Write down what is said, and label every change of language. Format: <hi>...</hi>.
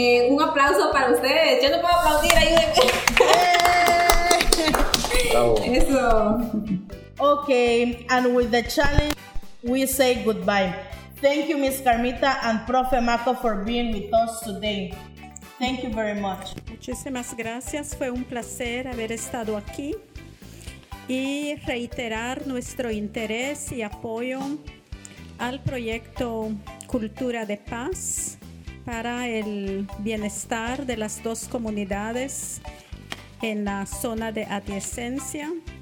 <es>Un aplauso para ustedes. Yo no puedo aplaudir, ayúdenme. Eso.</es> <en>Ok, and with the challenge, we say goodbye. Thank you, Miss Carmita and Profe Marco, for being with us today. Thank you very much.</en> <es>Muchísimas gracias. Fue un placer haber estado aquí y reiterar nuestro interés y apoyo al proyecto Cultura de Paz para el bienestar de las dos comunidades en la zona de adyacencia.</es>